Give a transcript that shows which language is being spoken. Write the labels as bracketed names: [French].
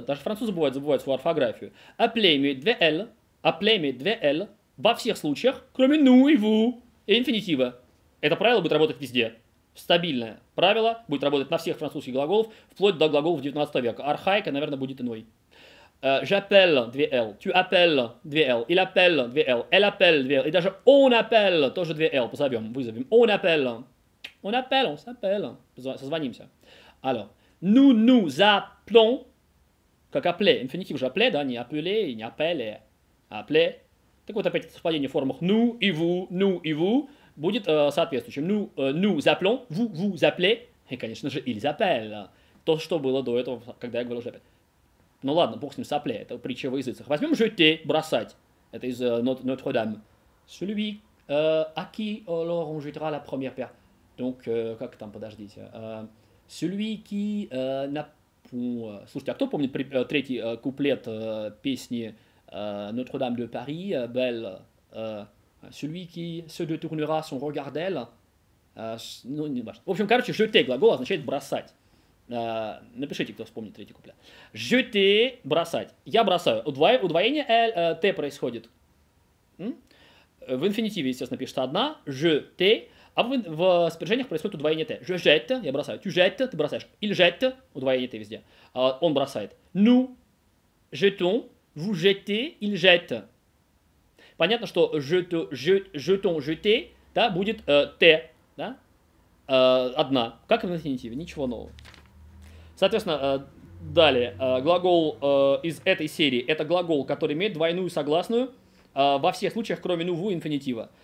[Russian] Даже французы бывают, забывают свою орфографию. Апле имеет две «л», апле имеет две «л» во всех случаях, кроме «ну» и «ву» и инфинитива. Это правило будет работать везде. Стабильное правило будет работать на всех французских глаголах, вплоть до глаголов 19 века. Архаика, наверное, будет иной. [French] J'appelle 2 L, tu appelles 2 L, il appelle 2 L, elle appelle 2 L, и даже on appelle тоже 2 L, [Russian] позовем, вызовем. [French] On appelle, on s'appelle, [Russian] созвонимся. Алло. [French] Nous nous appelons, как appeler, [Russian] инфинитив же [French] appeler, да, не appeler, не appeler, appeler. [Russian] Так вот опять совпадение в формах nous и vous будет соответствующим. [French] Nous, nous appelons, vous, vous appelez, [Russian] и, конечно же, [French] ils appellent. [Russian] То, что было до этого, когда я говорил уже опять. Ну ладно, бог с ним, сопля, это притча во языцах. Возьмем «жете» – «бросать». Это из «Нотр-Дам». [French] «Celui, à qui alors on jettera la première pierre». [Russian] Donc, как там, подождите. [French] «Celui qui n'a pas...» [Russian] Слушайте, а кто помнит третий куплет песни «Нотр-Дам de Paris», «Belle»? [French] «Celui qui se détournera son regard d'elle». [Russian] Ну, не важно. В общем, короче, «жете» – глагол означает «бросать». Напишите, кто вспомнит третий куплет. Jeter, бросать. Я бросаю. Удвоение L, T происходит. В инфинитиве, естественно, пишется одна. [French] Jeter. [Russian] А в спряжениях происходит удвоение T. [French] Je jette, [Russian] я бросаю. [French] Tu jette, [Russian] ты бросаешь. Il jette, удвоение T везде. Он бросает. [French] Nous jetons, vous jetez, il jette. [Russian] Понятно, что jetons, jeter, да, будет T. Да? Одна. Как в инфинитиве? Ничего нового. Соответственно, далее, глагол из этой серии – это глагол, который имеет двойную согласную во всех случаях, кроме «ну», «ву» и инфинитива.